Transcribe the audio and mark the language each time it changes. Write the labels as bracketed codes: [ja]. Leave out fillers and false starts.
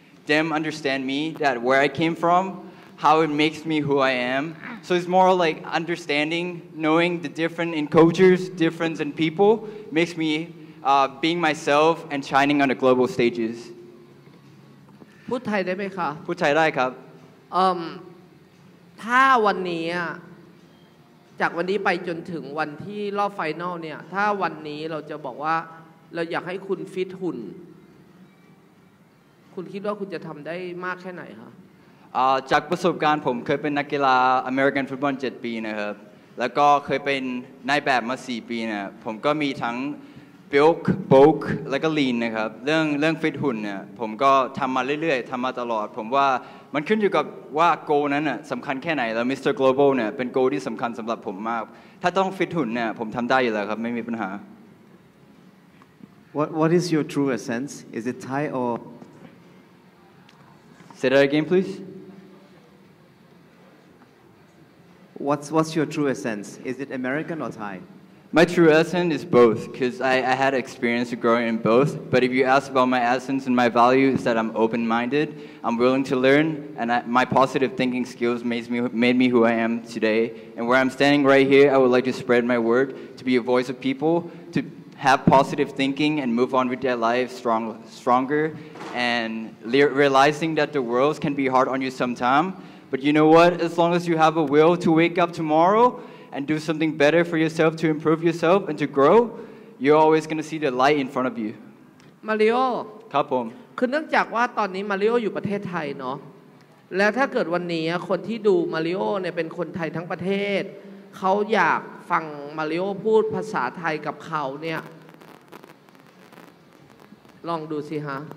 [en] them understand me that where I came from how it makes me who I am so it's more like understanding knowing the different in cultures difference in people makes me being myself and shining on the global stages [th] พูดไทยได้ไหมคะ พูดไทยได้ครับ ถ้าวันนี้จากวันนี้ไปจนถึงวันที่รอบไฟนอลเนี่ยถ้าวันนี้เราจะบอกว่าเราอยากให้คุณฟิตหุ่นคุณคิดว่าคุณจะทำได้มากแค่ไหนคะ จากประสบการณ์ผมเคยเป็นนักกีฬาอเมริกันฟุตบอล7ปีนะครับแล้วก็เคยเป็นนายแบบมา4ปีนะผมก็มีทั้งบิลค์ bulk แล้วก็ lean นะครับเรื่องฟิตหุ่นเนี่ยผมก็ทำมาเรื่อยๆทำมาตลอดผมว่ามันขึ้นอยู่กับว่าโกนั้นน่ะสำคัญแค่ไหนแล้วมิสเตอร์ global เนี่ยเป็นโกที่สำคัญสำหรับผมมากถ้าต้องฟิตหุ่นเนี่ยผมทำได้อยู่แล้วครับไม่มีปัญหา [en] What is your true essence is it Thai or Say that again please What's your true essence is it American or Thai My true essence is both, because I had experience growing in both. But if you ask about my essence and my value, it's that I'm open-minded, I'm willing to learn, and my positive thinking skills made me who I am today. And where I'm standing right here, I would like to spread my word, to be a voice of people, to have positive thinking and move on with their lives stronger, and realizing that the world can be hard on you sometime. But you know what? As long as you have a will to wake up tomorrow, and do something better for yourself to improve yourself and to grow, you're always going to see the light in front of you. Mario. [th] ครับผม คือเนื่องจากว่าตอนนี้ Mario อยู่ประเทศไทยเนาะและถ้าเกิดวันนี้คนที่ดู Mario เนี่ยเป็นคนไทยทั้งประเทศเขาอยากฟัง Mario พูดภาษาไทยกับเขาเนี่ยลองดูสิฮะ